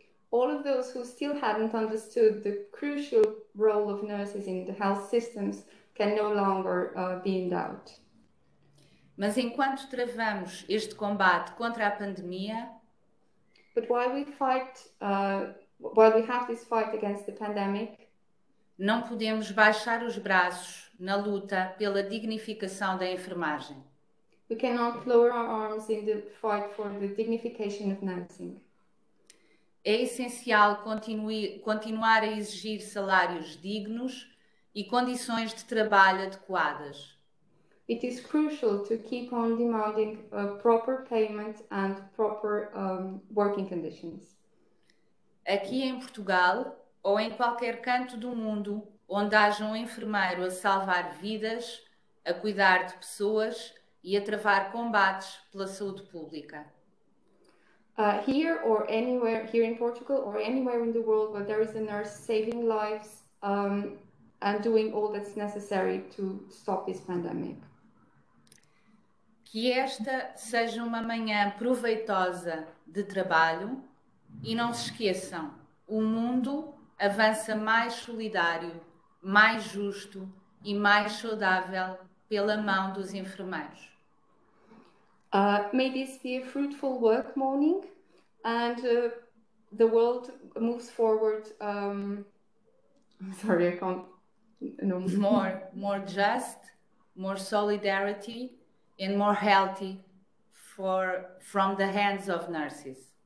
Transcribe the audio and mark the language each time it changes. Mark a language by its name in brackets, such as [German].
[English] All of those who still hadn't understood the crucial role of nurses in the health systems can no longer be in doubt. [Portuguese] Mas enquanto travamos este combate contra a pandemia, [English] But while we have this fight against the pandemic, [Portuguese] não podemos baixar os braços na luta pela dignificação da enfermagem. [English] we cannot lower our arms in the fight for the dignification of nursing. [Portuguese] É essencial continuar a exigir salários dignos e condições de trabalho adequadas. [English] It is crucial to keep on demanding a proper payment and proper working conditions. [Portuguese] Aqui em Portugal, ou em qualquer canto do mundo onde haja um enfermeiro a salvar vidas, a cuidar de pessoas e a travar combates pela saúde pública. [English] Here or anywhere, here in Portugal or anywhere in the world where there is a nurse saving lives and doing all that's necessary to stop this pandemic. [Portuguese] Que esta seja uma manhã proveitosa de trabalho e não se esqueçam, o mundo avança mais solidário, mais justo e mais saudável pela mão dos enfermeiros. [English] May this be a fruitful work morning and the world moves forward. Sorry, I can't. No. More just, more solidarity. And more healthy from the hands of nurses.